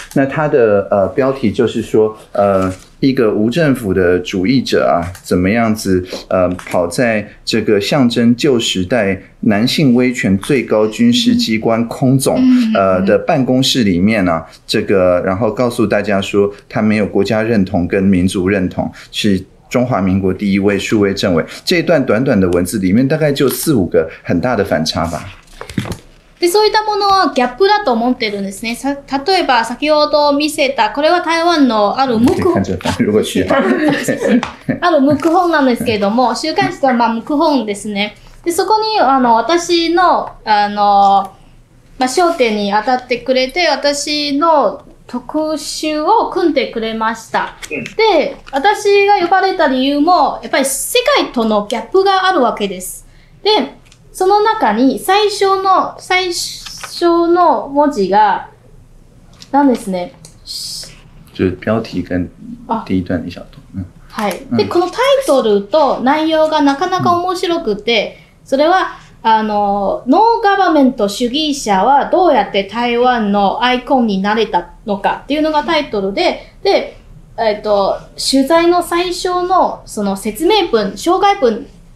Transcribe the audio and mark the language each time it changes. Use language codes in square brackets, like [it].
[zh] 那他的标题就是说，一个无政府的主义者啊，怎么样子跑在这个象征旧时代男性威权最高军事机关空总的办公室里面呢、这个然后告诉大家说他没有国家认同跟民族认同，是中华民国第一位数位政委。这一段短短的文字里面大概就四五个很大的反差吧。 [ja] でそういったものはギャップだと思ってるんですね。例えば先ほど見せた、これは台湾のある無垢本ある無垢本なんですけれども、週刊誌とは無垢本ですね。でそこに私の焦点に当たってくれて、私の特集を組んでくれました。で、私が呼ばれた理由も、やっぱり世界とのギャップがあるわけです。で、その中に最初の文字が、なんですね。 [zh] 就标题跟第一段一小段。 [ja] はい。で、このタイトルと内容がなかなか面白くて、それは、ノーガバメント主義者はどうやって台湾のアイコンになれたのかっていうのがタイトルで、で、取材の最初のその説明文、紹介文